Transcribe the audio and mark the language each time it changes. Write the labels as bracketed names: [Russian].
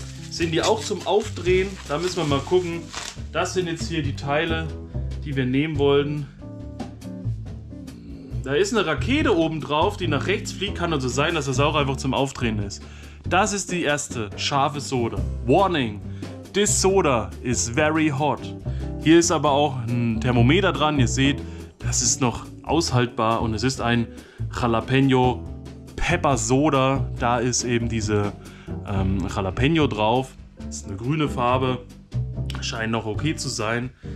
[German] Sind die auch zum Aufdrehen? Da müssen wir mal gucken. Das sind jetzt hier die Teile, die wir nehmen wollten. Da ist eine Rakete oben drauf, die nach rechts fliegt. Kann also sein, dass das auch einfach zum Aufdrehen ist. Das ist die erste scharfe Soda. [English] Warning, this soda is very hot. [German] Hier ist aber auch ein Thermometer dran. Ihr seht, das ist noch aushaltbar und es ist ein Jalapeno Pepper Soda. Da ist eben diese Jalapeno drauf. Das ist eine grüne Farbe. Scheint noch okay zu sein.